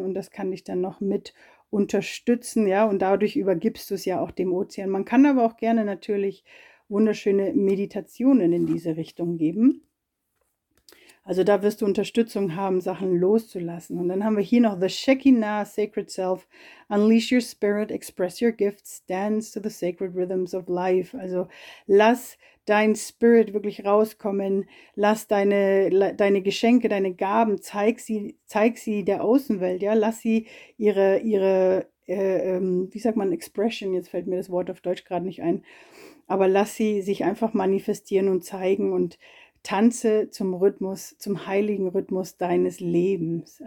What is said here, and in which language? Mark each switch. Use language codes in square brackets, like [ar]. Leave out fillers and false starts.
[de] Und das kann dich dann noch mit unterstützen, ja, und dadurch übergibst du es ja auch dem Ozean. Man kann aber auch gerne natürlich wunderschöne Meditationen in diese Richtung geben. Also da wirst du Unterstützung haben, Sachen loszulassen. Und dann haben wir hier noch The Shekinah, Sacred Self. [en] Unleash your spirit, express your gifts, dance to the sacred rhythms of life. [de] Also lass dein Spirit wirklich rauskommen, lass deine Geschenke, deine Gaben, zeig sie der Außenwelt, ja, lass sie Expression, jetzt fällt mir das Wort auf Deutsch gerade nicht ein, aber lass sie sich einfach manifestieren und zeigen und tanze zum Rhythmus, zum heiligen Rhythmus deines Lebens.